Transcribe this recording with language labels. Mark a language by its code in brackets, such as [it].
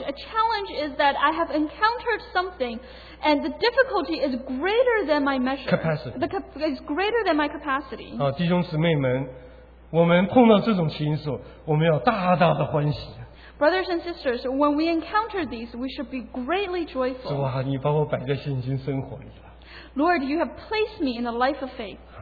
[en] A challenge is that I have encountered something and the difficulty is greater than my measure. Capacity. It's greater than my capacity. [zh] 啊, 弟兄姊妹们, 我们碰到这种情形的时候，我们要大大的欢喜。 [en] Brothers and sisters, when we encounter these, we should be greatly joyful. [zh] 主啊，你把我摆在信心生活里了。 [en] Lord, you have placed me in the life of faith.